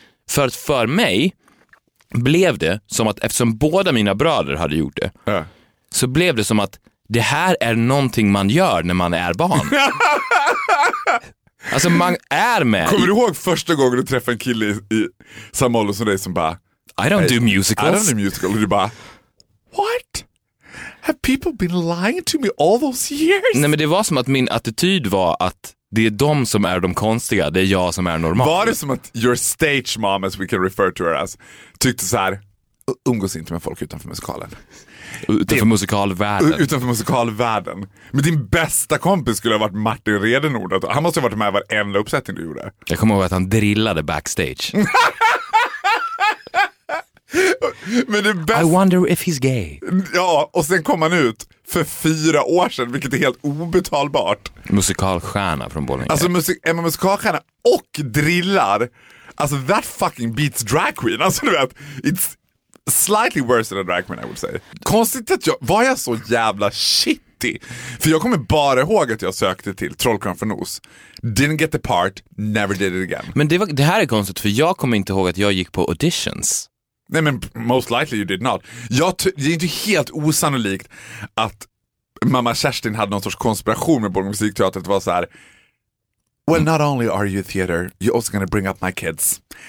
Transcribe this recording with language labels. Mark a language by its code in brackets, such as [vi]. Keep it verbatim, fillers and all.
[sv] För att för mig blev det som att, eftersom båda mina bröder hade gjort det, äh. så blev det som att det här är någonting man gör när man är barn. Alltså man är med. Kommer du ihåg första gången du träffade en kille i, i samma ålder som dig som bara, [en] I don't do musicals. I don't do musicals. [sv] Och du bara, [en] what? Have people been lying to me all those years? [sv] Nej, men det var som att min attityd var att det är de som är de konstiga, det är jag som är normal. Var det som att [en] your stage mom, as we can refer to her as, [sv] tyckte så här, umgås inte med folk utanför musikalen. Utanför musikalvärlden. Utanför musikalvärlden. Men din bästa kompis skulle ha varit Martin Redenord. Han måste ha varit med varenda uppsättning du gjorde. Jag kommer ihåg att han drillade backstage. Men det bästa... [en] I wonder if he's gay. [sv] Ja, och sen kom han ut för fyra år sedan, vilket är helt obetalbart. Musikalstjärna från Borlänge. Alltså musik, är man musikalstjärna och drillar, alltså [en] that fucking beats drag queen. [sv] Alltså du vet, [en] it's slightly worse than a drag queen I would say. [sv] Konstigt att jag, var jag så jävla shitty? För jag kommer bara ihåg att jag sökte till Trollkarlen från Oz. [en] Didn't get the part, never did it again. [sv] Men det, var, det här är konstigt, för jag kommer inte ihåg att jag gick på auditions. Nej, men [en] most likely you did not. [sv] Jag ty- det är inte helt osannolikt att mamma Kerstin hade någon sorts konspiration med Borlänge musikteater. Det var så här: [en] well, not only are you theater, you're also gonna bring up my kids.